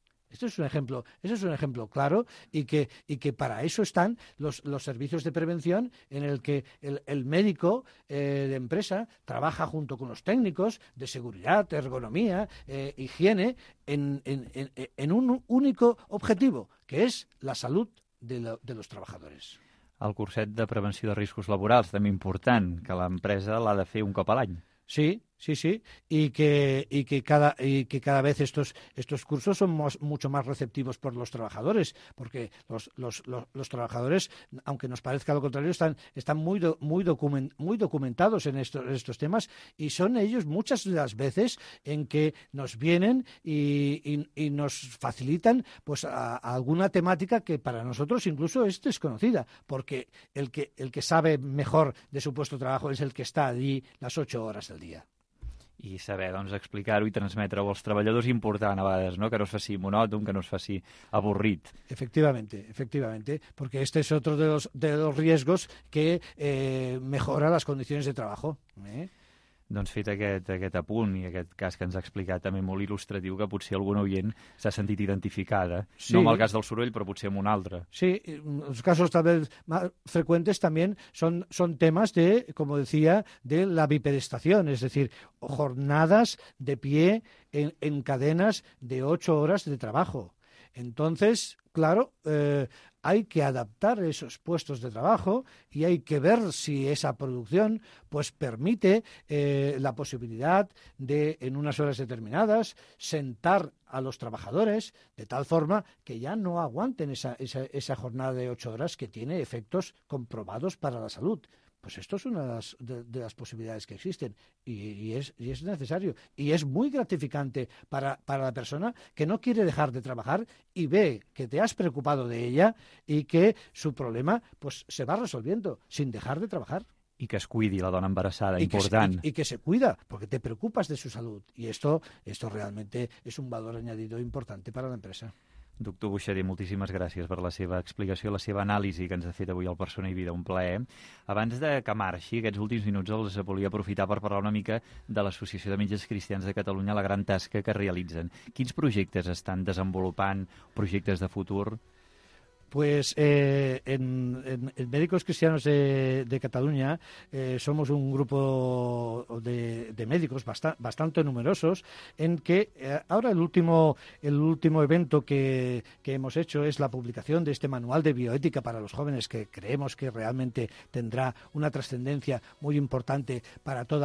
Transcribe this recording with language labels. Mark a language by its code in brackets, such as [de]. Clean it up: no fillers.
[es] Este es un ejemplo, ese es un ejemplo claro, y que para eso están los servicios de prevención, en el que el médico de empresa trabaja junto con los técnicos de seguridad, de ergonomía, higiene, en un único objetivo, que es la salud de los trabajadores. [ca] El curset de prevenció de riscos laborals, també important, que l'empresa l'ha de fer un cop a l'any. [es] Sí, sí, sí, y que cada vez estos cursos son mucho más receptivos por los trabajadores, porque los trabajadores, aunque nos parezca lo contrario, están muy documentados en estos temas, y son ellos muchas de las veces en que nos vienen y nos facilitan pues a alguna temática que para nosotros incluso es desconocida, porque el que sabe mejor de su puesto de trabajo es el que está allí las 8 horas del día. [ca] I saber, doncs, explicar-ho i transmetre-ho als treballadors és important a vegades, no? Que no es faci monòton, que no es faci avorrit. [es] Efectivamente, efectivamente, porque este es otro de los riesgos que mejora las condiciones de trabajo. [ca] Doncs fet aquest apunt i aquest cas que ens ha explicat, també molt il·lustratiu, que potser algun oient s'ha sentit identificada, sí. No amb el cas del soroll, però potser amb un altre. Sí, els casos també [es] más frecuentes [ca] també són temes de, com decía, de la bipedestació, és a dir, jornades [es] de pie [ca] en cadenes de 8 hores de treball. [es] Entonces, claro, hay que adaptar esos puestos de trabajo y hay que ver si esa producción pues permite la posibilidad de, en unas horas determinadas, sentar a los trabajadores de tal forma que ya no aguanten esa jornada de 8 horas, que tiene efectos comprobados para la salud. Pues esto es una de las posibilidades que existen, y es necesario. Y es muy gratificante para la persona que no quiere dejar de trabajar y ve que te has preocupado de ella y que su problema pues se va resolviendo sin dejar de trabajar. Y que [ca] es cuide la dona [es] embarazada, importante. Y que se cuida, porque te preocupas de su salud. Y esto realmente es un valor añadido importante para la empresa. [ca] Doctor Buixader, moltíssimes gràcies per la seva explicació, la seva anàlisi que ens ha fet avui al Persona i Vida, un plaer. Abans de que marxi, aquests últims minuts els volia aprofitar per parlar una mica de l'Associació de Metges Cristians de Catalunya, la gran tasca que realitzen. Quins projectes estan desenvolupant, projectes de futur? [es] Pues en Médicos Cristianos de Cataluña somos un grupo de médicos bastante numerosos, en que ahora el último evento que hemos hecho es la publicación de este manual de bioética para los jóvenes, que creemos que realmente tendrá una trascendencia muy importante para